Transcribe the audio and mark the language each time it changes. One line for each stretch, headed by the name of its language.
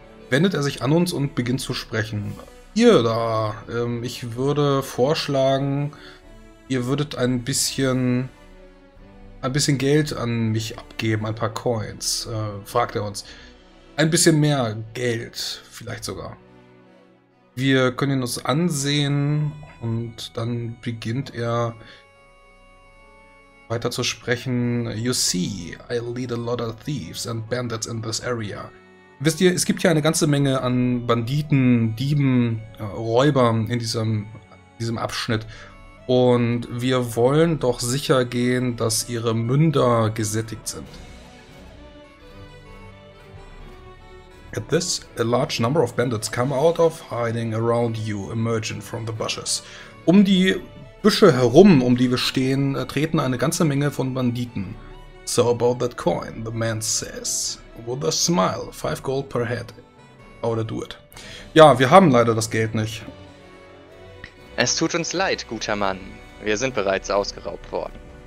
German: wendet er sich an uns und beginnt zu sprechen. Ihr da, ich würde vorschlagen, ihr würdet ein bisschen Geld an mich abgeben, ein paar Coins, fragt er uns. Ein bisschen mehr Geld, vielleicht sogar. Wir können ihn uns ansehen und dann beginnt er weiter zu sprechen.
English: You see, I lead a lot of thieves and bandits in this area.
German: Wisst ihr, es gibt ja eine ganze Menge an Banditen, Dieben, Räubern in diesem Abschnitt. Und wir wollen doch sicher gehen, dass ihre Münder gesättigt sind.
English: At this, a large number of bandits come out of hiding around you, emerging from the bushes.
German: Um die Büsche herum, um die wir stehen, treten eine ganze Menge von Banditen.
English: So about that coin, the man says. With a smile, 5 gold per head. Oh, do it.
German: Ja, wir haben leider das Geld nicht. Es tut uns leid, guter Mann. Wir sind bereits ausgeraubt worden.